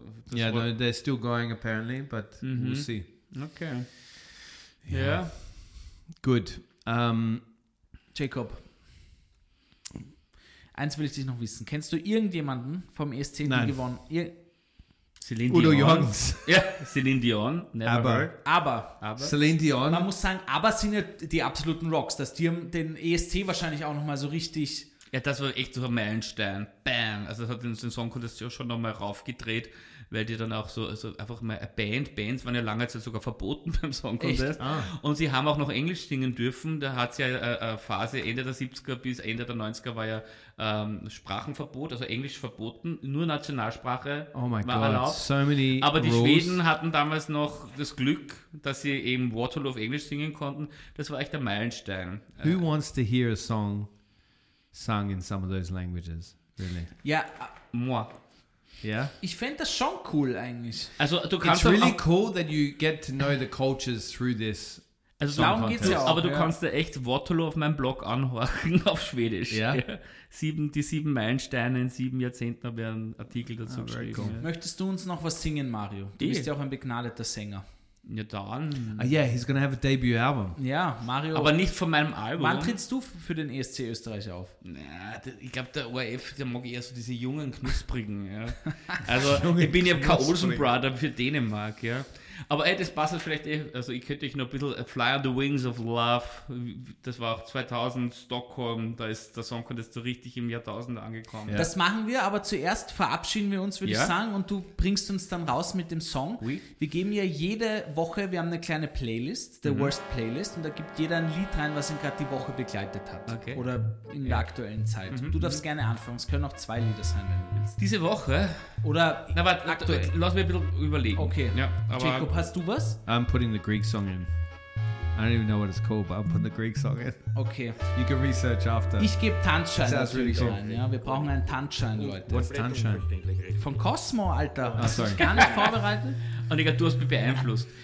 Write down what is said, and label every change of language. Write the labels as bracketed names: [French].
[English] They're still going apparently, but we'll see. Okay. [German] Ja. Gut. Jacob, eins will ich dich noch wissen. Kennst du irgendjemanden vom ESC, der gewonnen hat? Celine Dion. Udo Jürgens. Ja, Celine Dion. [English] Never [German] aber. Aber. Aber. Celine Dion. Man muss sagen, aber sind ja die absoluten Rocks. Dass die haben den ESC wahrscheinlich auch nochmal so richtig... Ja, das war echt so ein Meilenstein. Bam. Also das hat den Song Contest ja schon nochmal raufgedreht, weil die dann auch so also einfach mal eine Band, Bands waren ja lange Zeit sogar verboten beim Song Contest. Ah. Und sie haben auch noch Englisch singen dürfen. Da hat es ja eine Phase Ende der 70er bis Ende der 90er war ja Sprachenverbot, also Englisch verboten. Nur Nationalsprache war erlaubt. [English] So many [German] aber die [English] rules. [German] Schweden hatten damals noch das Glück, dass sie eben Waterloo auf Englisch singen konnten. Das war echt ein Meilenstein. [English] Who wants to hear a song sung in some of those languages, really? [German] Ja, [French] moi. [English] Yeah. [German] Ich fände das schon cool eigentlich. Also du kannst [English] it's really cool that you get to know the cultures through this. [German] Also darum geht's ja auch. Aber du kannst dir echt Waterloo auf meinem Blog anhören auf Schwedisch. [English] Yeah. [German] Die 7 Meilensteine in 7 Jahrzehnten habe ich einen Artikel dazu geschrieben. Cool. Möchtest du uns noch was singen, Mario? Du bist ja auch ein begnadeter Sänger. Ja, dann. [English] Yeah, he's gonna have a debut album. [German] Ja, Mario. Aber nicht von meinem Album. Wann trittst du für den ESC Österreich auf? Naja, ich glaube, der ORF, der mag eher so diese jungen Knusprigen. Ja. Also, jungen ich bin ja kein Olsen Brother für Dänemark. Ja. Aber ey, das passt vielleicht eh. Also, ich könnte euch noch ein bisschen Fly on the Wings of Love. Das war auch 2000 Stockholm. Da ist der Song Contest so richtig im Jahrtausend angekommen. Ja. Das machen wir, aber zuerst verabschieden wir uns, würde ja? ich sagen. Und du bringst uns dann raus mit dem Song. [French] Oui. [German] Wir geben ja jede Woche, wir haben eine kleine Playlist, The Worst Playlist. Und da gibt jeder ein Lied rein, was ihn gerade die Woche begleitet hat. Okay. Oder in der aktuellen Zeit. Mhm. Du darfst gerne anfangen. Es können auch zwei Lieder sein, wenn du willst. Diese Woche? Oder na, warte, aktuell? Lass mir ein bisschen überlegen. Okay. Ja, aber Jacob, hast du was? [English] I'm putting the Greek song in. I don't even know what it's called, but I'm putting the Greek song in. Okay. You can research after. [German] Ich gebe Tanzschein natürlich [English] really cool. [German] ein. Ja, wir brauchen einen Tanzschein, Leute. [English] What's Tanzschein? [German] Von Cosmo, Alter. [English] Oh, sorry. [German] Gar nicht vorbereitet. Und ich glaube, du hast mich beeinflusst.